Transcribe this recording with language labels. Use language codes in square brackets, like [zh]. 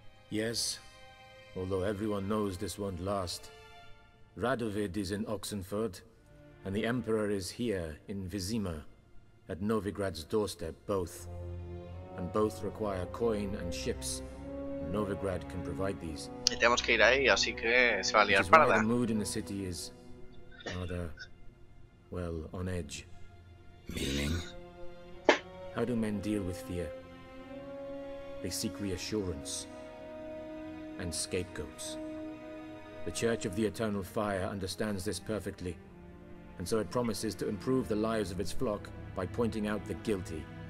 [en] Yes. Although everyone knows this won't last. Radovid is in Oxenford, and the Emperor is here in Vizima, at Novigrad's doorstep, both. and both require coin and ships. Novigrad can provide these. [es] Y tenemos que ir ahí, así que se va a liar parda. [en] The mood in the city is rather, well, on edge. Meaning? How do men deal with fear? They seek reassurance and scapegoats. The Church of the Eternal Fire understands this perfectly, and so it promises to improve the lives of its flock by pointing out the guilty.